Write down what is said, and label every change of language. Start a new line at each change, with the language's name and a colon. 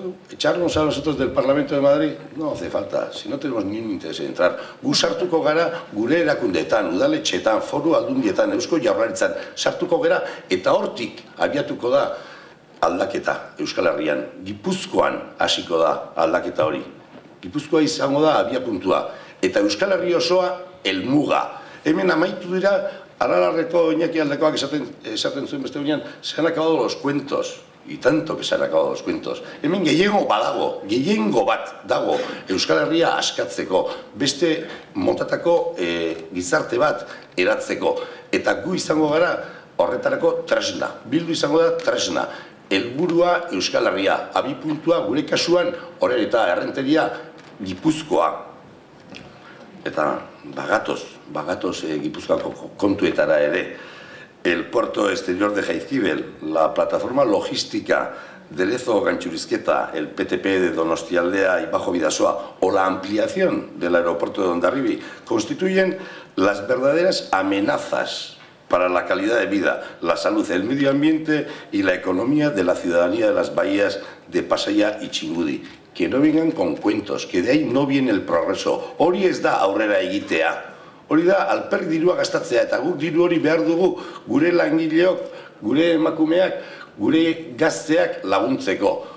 Spanish: Echarnos a nosotros del Parlamento de Madrid, no hace falta, si no tenemos ningún interés en entrar.
Basque: Gu sartuko gara gure erakundetan, udaletxetan, foru aldundietan, Eusko Jaurlaritzan, sartuko gara eta hortik abiatuko da aldaketa Euskal Herrian. Gipuzkoan hasiko da aldaketa hori. Gipuzkoa izango da abiapuntua eta Euskal Herri osoa elmuga. Hemen amaitu dira Aralarreko Iñaki aldekoak esaten zuen beste unean,
Spanish: se han acabado los cuentos, y tanto que se han acabado los cuentos.
Basque: Hemen gehiengo badago, gehiengo bat dago Euskal Herria askatzeko, beste motatako gizarte bat eratzeko. Eta gu izango gara horretarako tresna, bildu izango da tresna. Helburua Euskal Herria, abipuntua gure kasuan, horre eta Errenteria Gipuzkoa. Eta bagatoz Gipuzkoako kontuetara ere.
Spanish: El puerto exterior de Jaizkibel, la plataforma logística de Lezo-Gantxurizketa, el PTP de Donostialdea y Bajo Bidasoa, o la ampliación del aeropuerto de Hondarribi, constituyen las verdaderas amenazas para la calidad de vida, la salud, el medio ambiente y la economía de la ciudadanía de las bahías de Pasaia y Txingudi. Que no vengan con cuentos, que de ahí no viene el progreso.
Basque: Hori ez da aurrera egitea. Hori da alperrik dirua gastatzea eta guk diru hori behar dugu gure langileok, gure emakumeak, gure gazteak laguntzeko.